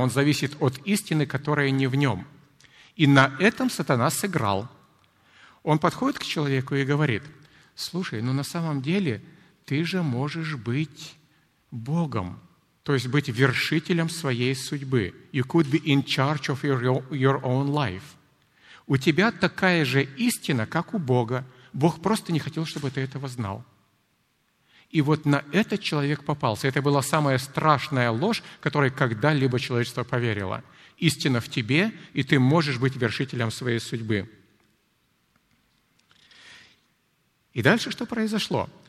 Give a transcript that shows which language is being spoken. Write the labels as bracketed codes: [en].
[ru] Он зависит от истины, которая не в нем. И на этом сатана сыграл. Он подходит к человеку и говорит: «Слушай, ну на самом деле ты же можешь быть Богом, то есть быть вершителем своей судьбы. [en] You could be in charge of your own life. [ru] У тебя такая же истина, как у Бога. Бог просто не хотел, чтобы ты этого знал». И вот на этот человек попался. Это была самая страшная ложь, которой когда-либо человечество поверило. Истина в тебе, и ты можешь быть вершителем своей судьбы. И дальше что произошло?